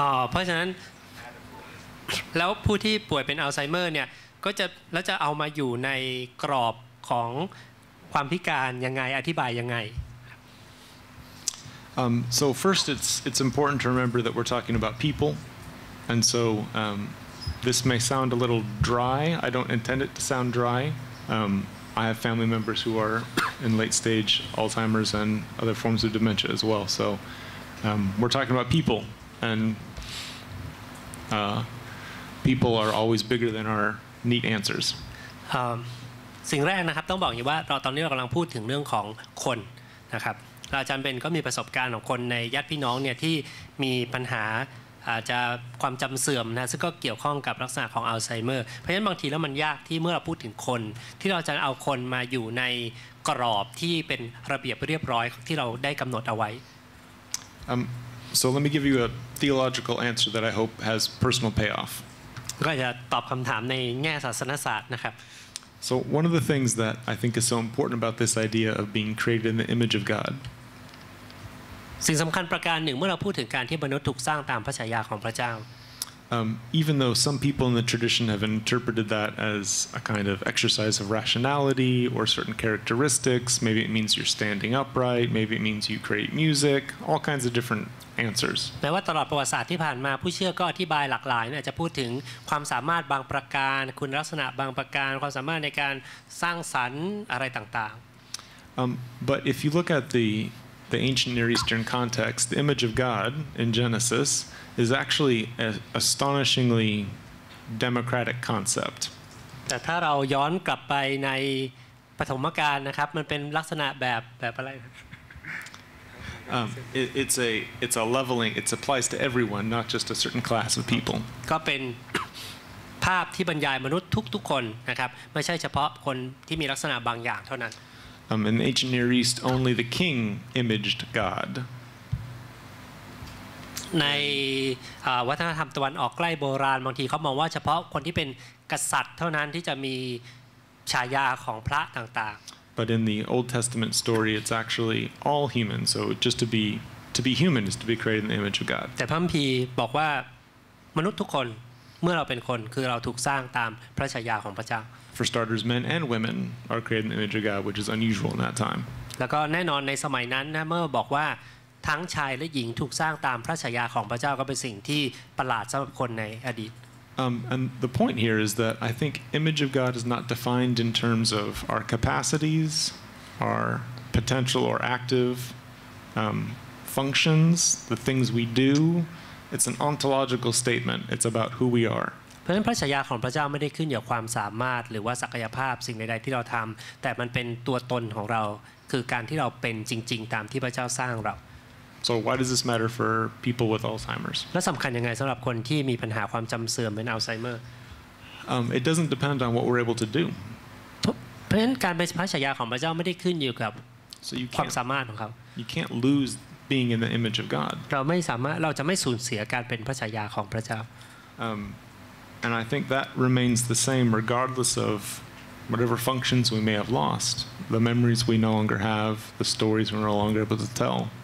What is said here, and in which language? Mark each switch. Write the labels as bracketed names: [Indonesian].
[Thai] เพราะฉะนั้นแล้วผู้ที่ป่วยเป็นอัลไซเมอร์เนี่ยก็จะแล้วจะเอามาอยู่ในกรอบของความพิการยังไงอธิบายยังไง [English] So first it's important to remember that we're talking about people and so this may sound a little dry I don't intend it to sound dry I have family members who are in late stage Alzheimer's and other forms of dementia as well so we're talking about people and people are always bigger than ourneat answers [Thai] สิ่งแรกนะครับต้องบอกอย่างว่าเราตอนนี้เรากำลังพูดถึงเรื่องของคนนะครับอาจารย์เบนก็มีประสบการณ์ของคนในญาติพี่น้องเนี่ยที่มีปัญหาอาจจะความจำเสื่อมนะซึ่งก็เกี่ยวข้องกับลักษณะของอัลไซเมอร์เพราะฉะนั้นบางทีแล้วมันยากที่เมื่อเราพูดถึงคนที่เราจะเอาคนมาอยู่ในกรอบที่เป็นระเบียบเรียบร้อยที่เราได้กำหนดเอาไว้ [English] So let me give you a theological answer that I hope has personal payoff [Thai] ก็จะตอบคำถามในแง่ศาสนศาสตร์นะครับ [English] So one of the things that I think is so important about this idea of being created in the image of God [Thai] สิ่งสำคัญประการหนึ่งเมื่อเราพูดถึงการที่มนุษย์ถูกสร้างตามพระฉายาของพระเจ้า [English] even though some people in the tradition have interpreted that as a kind of exercise of rationality or certain characteristics, maybe it means you're standing upright, maybe it means you create music, all kinds of different answers. [Thai] แต่ว่าตลอดประวัติศาสตร์ที่ผ่านมาผู้เชื่อก็อธิบายหลากหลายนะอาจจะพูดถึงความสามารถบางประการคุณลักษณะบางประการความสามารถในการสร้างสรรค์อะไรต่าง [English] ๆ but if you look at the ancient Near Eastern context, the image of God in Genesis is actually an astonishingly democratic concept. [Thai] แต่ถ้าเราย้อนกลับไปในปฐมกาลนะครับมันเป็นลักษณะแบบอะไร [English] it's a leveling, it applies to everyone, not just a certain class of people. [Thai] ก็เป็นภาพที่บรรยายมนุษย์ทุกคนนะครับไม่ใช่เฉพาะคนที่มีลักษณะบางอย่างเท่านั้น [English] In the ancient Near East, only the king imaged God. [Thai] ในวัฒนธรรมตะวันออกใกล้โบราณบางทีเขามองว่าเฉพาะคนที่เป็นกษัตริย์เท่านั้นที่จะมีฉายาของพระต่าง [English] ๆ But in the Old Testament story, it's actually all humans. So just to be human is to be created in the image of God. [Thai] แต่พระคัมภีร์บอกว่ามนุษย์ทุกคนเมื่อเราเป็นคนคือเราถูกสร้างตามพระฉายาของพระเจ้า [English] For starters, men and women are created in the image of God, which is unusual in that time. [Thai] แล้วก็แน่นอนในสมัยนั้นนะเมื่อบอกว่าทั้งชายและหญิงถูกสร้างตามพระฉายาของพระเจ้าก็เป็นสิ่งที่ประหลาดสำหรับคนในอดีต [English] And the point here is that I think image of God is not defined in terms of our capacities, our potential or active functions, the things we do. It's an ontological statement. It's about who we are. [Thai] เพราะฉะนั้นพระฉายาของพระเจ้าไม่ได้ขึ้นอยู่กับความสามารถหรือว่าศักยภาพสิ่งใดๆที่เราทำแต่มันเป็นตัวตนของเราคือการที่เราเป็นจริงๆตามที่พระเจ้าสร้างเรา [English] So why does this matter for people with Alzheimer's? [Thai] และสำคัญยังไงสำหรับคนที่มีปัญหาความจำเสื่อมเป็นอัลไซเมอร์ [English] It doesn't depend on what we're able to do [Thai] เพราะฉะนั้นการเป็นพระฉายาของพระเจ้าไม่ได้ขึ้นอยู่กับความสามารถของเขา [English] You can't lose being in the image of God [Thai] เราไม่สามารถเราจะไม่สูญเสียการเป็นพระฉายาของพระเจ้า [English] And I think that remains the same regardless of whatever functions we may have lost, the memories we no longer have, the stories we're no longer able to tell.